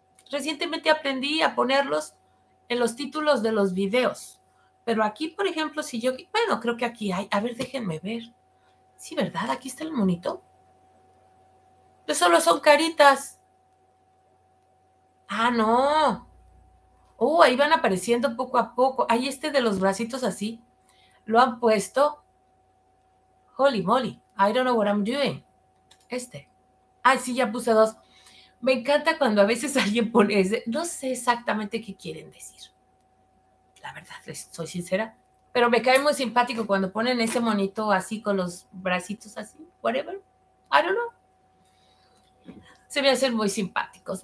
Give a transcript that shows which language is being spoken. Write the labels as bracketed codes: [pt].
[es] Recientemente aprendí a ponerlos en los títulos de los videos, pero aquí, por ejemplo, si yo, bueno, creo que aquí hay, a ver, déjenme ver, sí, ¿verdad? Aquí está el monito, pero solo son caritas, ah, no, ahí van apareciendo poco a poco, ahí este de los bracitos así, lo han puesto. [en] Holy moly, I don't know what I'm doing. [es] Ay, sí, ya puse dos. Me encanta cuando a veces alguien pone ese. No sé exactamente qué quieren decir. La verdad, les soy sincera. Pero me cae muy simpático cuando ponen ese monito así con los bracitos así. [en] Whatever. I don't know. [es] Se me hacen muy simpáticos.